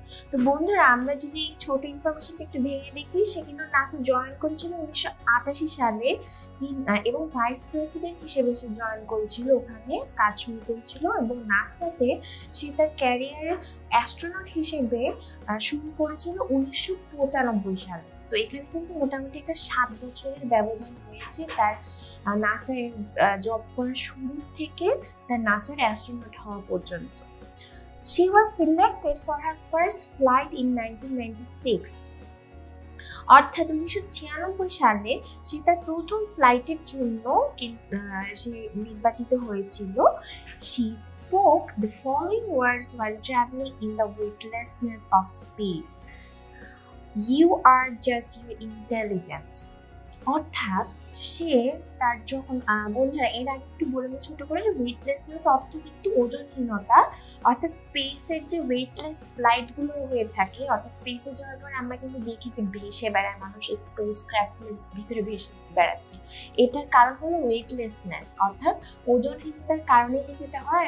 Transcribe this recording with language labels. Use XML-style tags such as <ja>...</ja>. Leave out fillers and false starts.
<bn>তো বন্ধুরা আমরা যদি এই ছোট ইনফরমেশনটা একটু ভেঙে দেখি, সে কিন্তু নাসা জয়েন করেছিল 1988 সালে এবং ভাইস প্রেসিডেন্ট হিসেবে সে জয়েন করেছিল, ওখানে কাজ শুরু করেছিল এবং নাসাতে সে তার ক্যারিয়ারে অ্যাস্ট্রোনট হিসেবে শুরু করেছিল 1995 সালে। তো এখানে কিন্তু মোটামুটি একটা 7 বছরের ব্যবধান হয়েছে তার নাসার জব করার শুরু থেকে তার নাসার অ্যাস্ট্রোনট হওয়া পর্যন্ত।</bn> <en>She was selected for her first flight in 1996.</en> <bn>অর্থাৎ 1996 সালে সে তার প্রথম ফ্লাইটের জন্য সে নির্বাচিত হয়েছিল।</bn> <en>She spoke the following words while traveling in the weightlessness of space. You are just your intelligence. অর্থাৎ</en> <bn>সে তার যখন বন্ধুরা এর আগে একটু বলেছে ছোট করে যে ওয়েটলেসনেস অর্থ কিন্তু ওজনহীনতা, অর্থাৎ স্পেসের যে ওয়েটলেস ফ্লাইটগুলো হয়ে থাকে, অর্থাৎ স্পেসে যাওয়ার পর আমরা কিন্তু দেখি যে ভেসে বেড়ায় মানুষ স্পেস ক্র্যাফ্টের ভিতরে ভেসে বেড়াচ্ছে, এটার কারণ হলো ওয়েটলেসনেস, অর্থাৎ ওজনহীনতার কারণে কিন্তু এটা হয়।</bn>